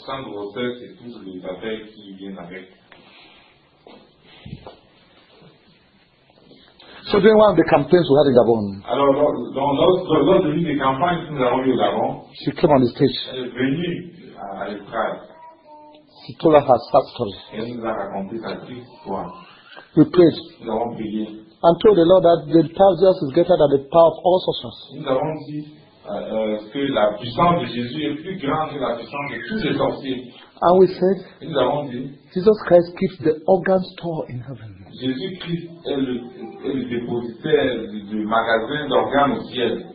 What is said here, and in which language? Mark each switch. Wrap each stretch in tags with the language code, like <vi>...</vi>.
<fr>Sans grossesse et tous les affaires qui viennent avec.</fr> <en>So during one of the campaigns we had in Gabon.</en> <fr>Alors lors de l'une des campagnes que nous avons eues au Gabon.</fr> <en>She came on the stage.</en> <fr>Elle est venue à l'épreuve.</fr> <en>She told her sad story.</en> <fr>Elle nous a raconté sa triste histoire.</fr> <en>We prayed.</en> <fr>Nous avons prié.</fr> <en>And told the Lord that the power of Jesus is greater than the power of all sorcerers.</en> <fr>Nous avons dit que la puissance de Jésus est plus grande que la puissance de tous les sorciers.</fr> <en>And we said,</en> <fr>nous avons dit,</fr> <en>Jesus Christ keeps the organ store in heaven.</en> <fr>Jésus Christ est le dépositaire du magasin d'organes au ciel.</fr>